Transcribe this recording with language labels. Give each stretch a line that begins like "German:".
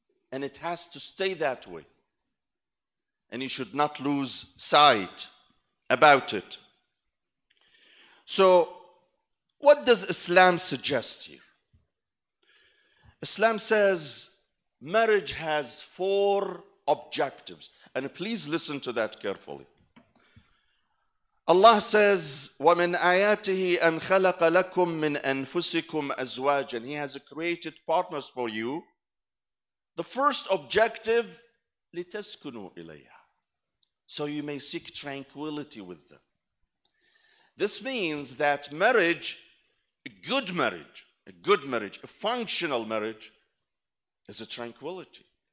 English: And it has to stay that way. And you should not lose sight about it. So, what does Islam suggest here? Islam says marriage has four objectives. And please listen to that carefully.
Arabic: Allah says, وَمِنْ آيَاتِهِ أَنْ خَلَقَ لَكُمْ مِنْ أَنفُسِكُمْ أَزْوَاجًا.
English: He has created partners for you. The first objective,
Arabic: لِتَسْكُنُوا إِلَيْهَا.
English: So you may seek tranquility with them. This means that marriage, a good marriage, a functional marriage, is a tranquility.